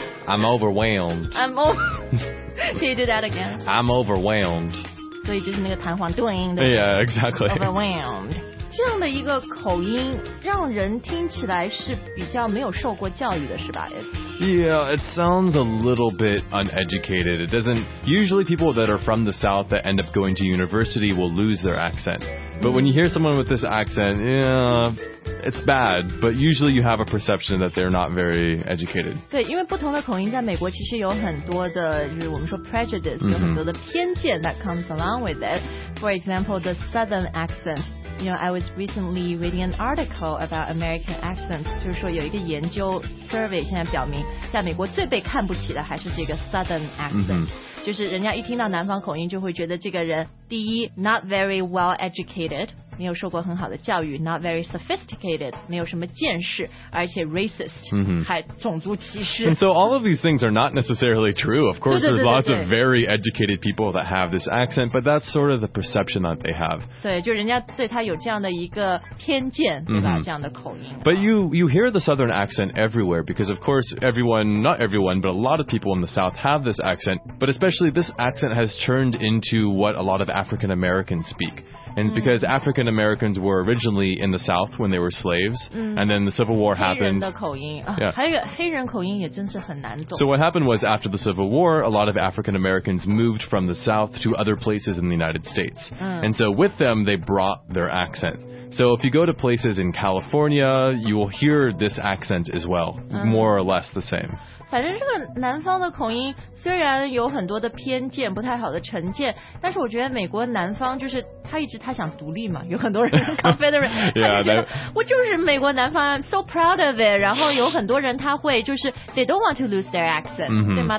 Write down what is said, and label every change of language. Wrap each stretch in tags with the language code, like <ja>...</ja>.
<en>I'm overwhelmed. I'm over. Can you do that again? I'm overwhelmed.</en> <zh>所以就是那个弹簧 ，doing.</zh> <en>Yeah, exactly. Overwhelmed.</en> <zh>这样的一个口音让人听起来是比较没有受过教育的，是吧</zh> <en>？Yeah, it sounds a little bit uneducated. It doesn't. Usually, people that are from the South that end up going to university will lose their accent. But when you hear someone with this accent, yeah. It's bad, but usually you have a perception that they're not very educated.</en> <zh>对，因为不同的口音在美国其实有很多的，就是我们说 prejudice，有很多的偏见 that comes along with it.</zh> <en>For example, the southern accent. You know, I was recently reading an article about American accents.</en> <zh>就是说有一个研究 survey 现在表明，在美国最被看不起的还是这个 southern accent. 就是人家一听到南方口音就会觉得这个人第一 not very well educated 没有受过很好的教育 not very sophisticated 没有什么见识而且 racist、还种族歧视</zh> <en>And so all of these things are not necessarily true Of course 对对对对对 there's lots of very educated people that have this accent But that's sort of the perception that they have</en> <zh>对就人家对他有这样的一个偏见对吧、这样的口音</zh> <en>But you hear the southern accent everywhere Because of course everyone not everyone but a lot of people in the south have this accent But especially this accent has turned into what a lot of African Americans speak. And because African Americans were originally in the South when they were slaves, and then the Civil War happened.</en> <zh>黑人的口音、还有黑人口音也真是很难懂。</zh> <en>So what happened was after the Civil War, a lot of African Americans moved from the South to other places in the United States. And so with them, they brought their accent. So if you go to places in California, you will hear this accent as well, more or less the same.</en> <zh>反正这个南方的口音虽然有很多的偏见，不太好的成见，但是我觉得美国南方就是他一直他想独立嘛，有很多人 Confederate, 我就是美国南方 so proud of it, 然后有很多人他会就是 they don't want to lose their accent, 对吗？</zh>